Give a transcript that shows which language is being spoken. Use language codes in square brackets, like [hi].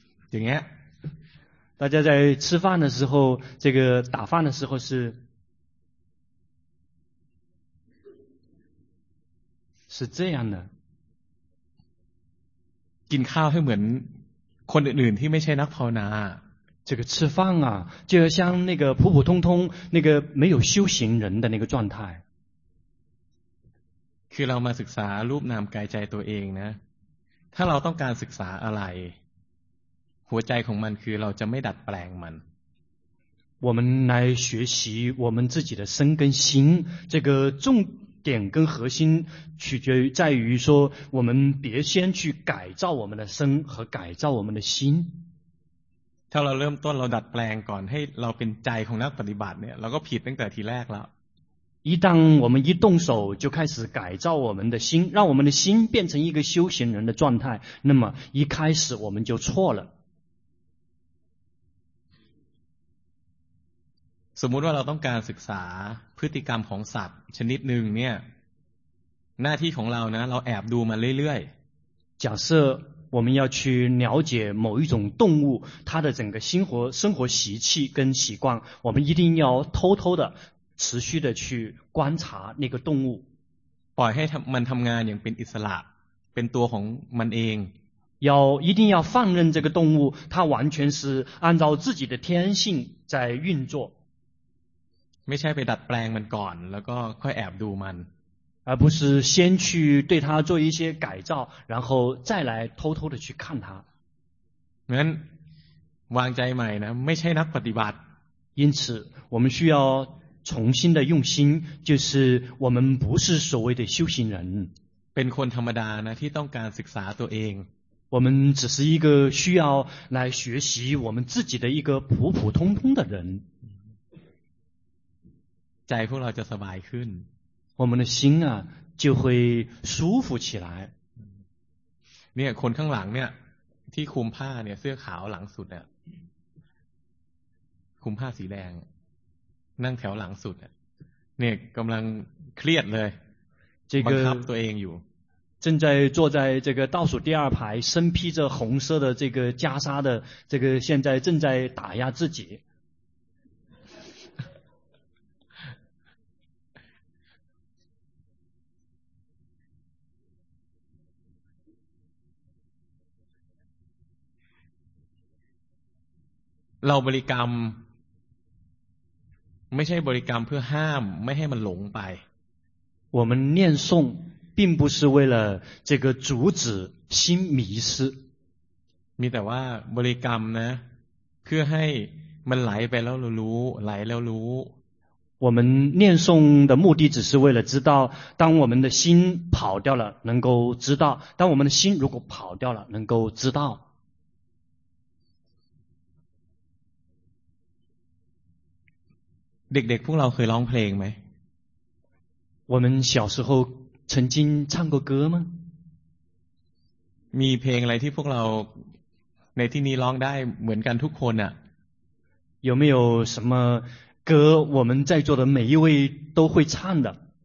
[zh] 怎样？大家在吃饭的时候，这个打饭的时候是是这样的。 [th] กินข้าวให้เหมือนคนอื่นๆที่ไม่ใช่นักภาวนา [zh] 这个吃饭啊就像那个普普通通那个没有修行人的那个状态 [th] คือเรามาศึกษารูปนามกายใจตัวเองนะถ้าเราต้องการศึกษาอะไรหัวใจของมันคือเราจะไม่ดัดแปลงมัน [zh] 我们来学习我们自己的身跟心这个重点跟核心取决于在于说我们别先去改造我们的身和改造我们的心 [th] ถ้าเราเริ่มต้นเราดัดแปลงก่อนให้เราเป็นใจของนักปฏิบัติเนี่ยเราก็ผิดตั้งแต่ทีแรกแล้ว [zh] 一旦我们一动手就开始改造我们的心让我们的心变成一个修行人的状态那么一开始我们就错了 [th] สมมุติว่าเราต้องการศึกษาพฤติกรรมของสัตว์ชนิดหนึ่งเนี่ยหน้าที่ของเรานะเราแอบดูมันเรื่อย [zh] ๆ假设我们要去了解某一种动物它的整个生活习气跟习惯我们一定要偷偷的持续的去观察那个动物 [th] ปล่อยให้มันทำงานอย่างเป็นอิสระเป็นตัวของมันเอง [zh] 要一定要放任这个动物它完全是按照自己的天性在运作 [th] ไม่ใช่ไปดัดแปลงมันก่อนแล้วก็ค่อยแอบดูมัน [zh] 而不是先去对它做一些改造然后再来偷偷的去看它 [th] งั้นวางใจใหม่นะไม่ใช่นักปฏิบัติ [zh] 因此我们需要重新的用心就是我们不是所谓的修行人 [th] เป็นคนธรรมดานะที่ต้องการศึกษาตัวเอง [zh] 我们只是一个需要来学习我们自己的一个普普通通的人 [th] ใจพวกเราจะสบายขึ้น [zh] 我们的心啊就会舒服起来 [th] เนี่ยคนข้างหลังเนี่ยที่คุมผ้าเนี่ยเสื้อขาวหลังสุดอ่ะคุมผ้าสีแดงนั่งแถวหลังสุดอ่ะเนี่ยกำลังเครียดเลย [zh] 这个 [th] บังคับตัวเองอยู่ [zh] 正在坐在这个倒数第二排身披着红色的这个袈裟的这个现在正在打压自己 [th] เราบริกรรมไม่ใช่บริกรรมเพื่อห้ามไม่ให้มันหลงไป [zh] 我们念诵并不是为了这个阻止心迷失 [th] มีแต่ว่าบริกรรมนะเพื่อให้มันไหลไปแล้วรู้ไหลแล้วรู้ [zh] 我们念诵的目的只是为了知道当我们的心跑掉了能够知道当我们的心如果跑掉了能够知道 [th] เด็กๆพวกเราเคยร้องเพลงไหม [zh] 我们小时候曾经唱过歌吗 [th] มีเพลงอะไรที่พวกเราในที่นี้ร้องได้เหมือนกันทุกคนอ่ะ [zh] 有没有什么歌我们在座的每一位都会唱的